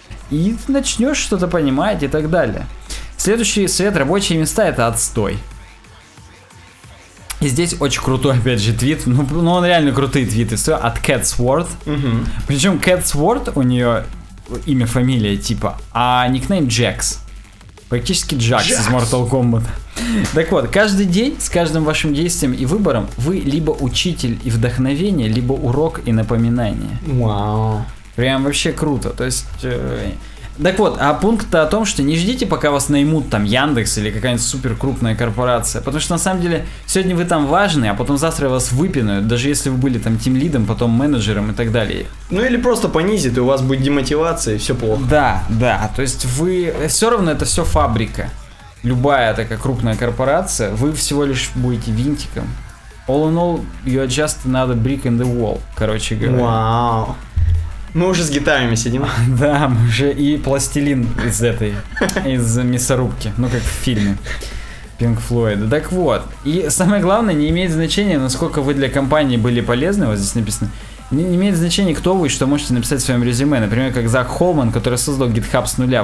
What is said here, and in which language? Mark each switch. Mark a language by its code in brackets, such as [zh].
[ru] И ты начнешь что-то понимать и так далее. Следующий совет: рабочие места — это отстой. И здесь очень крутой, опять же, твит. Ну он реально крутые твиты. Все от Catsworth. Причем Catsworth, у нее имя, фамилия, типа, а никнейм Jax. Практически Jax из Mortal Kombat. Так вот, каждый день с каждым вашим действием и выбором вы либо учитель и вдохновение, либо урок и напоминание. Вау. Прям вообще круто. То есть... Так вот, а пункт-то о том, что не ждите, пока вас наймут там Яндекс или какая-нибудь супер крупная корпорация. Потому что на самом деле сегодня вы там важны, а потом завтра вас выпинают, даже если вы были там тимлидом, потом менеджером и так далее. Ну или просто понизит, и у вас будет демотивация, и все плохо. Да, да. То есть вы. Все равно это все фабрика. Любая такая крупная корпорация, вы всего лишь будете винтиком. [en] All in all, you are just another brick in the wall, [ru] короче говоря. Вау! Мы уже с гитарами сидим. Да, мы уже и пластилин из этой, из мясорубки. Ну, как в фильме Pink Floyd. Так вот. И самое главное, не имеет значения, насколько вы для компании были полезны. Вот здесь написано. Не имеет значения, кто вы и что можете написать в своем резюме. Например, как Зак Холман, который создал GitHub с нуля.